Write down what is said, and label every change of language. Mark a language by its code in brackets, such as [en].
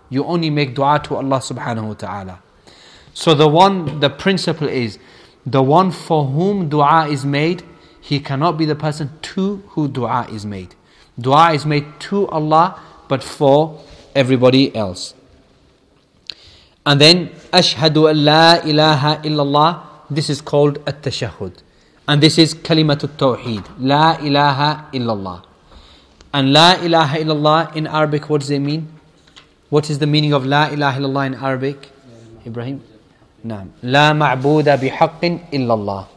[en] You only make dua to Allah subhanahu wa ta'ala. So the principle is, the one for whom dua is made, he cannot be the person to who dua is made. Dua is made to Allah, but for everybody else. And then, [ar] أشهد أن لا إله إلا الله. [en] This is called At-Tashahud. And this is Kalimatu At-Tawheed. La ilaha illallah. And La ilaha illallah in Arabic, what does it mean? What is the meaning of La ilaha illallah in Arabic? Ibrahim? [ar] Naam. La ma'buda bihaqqin illallah.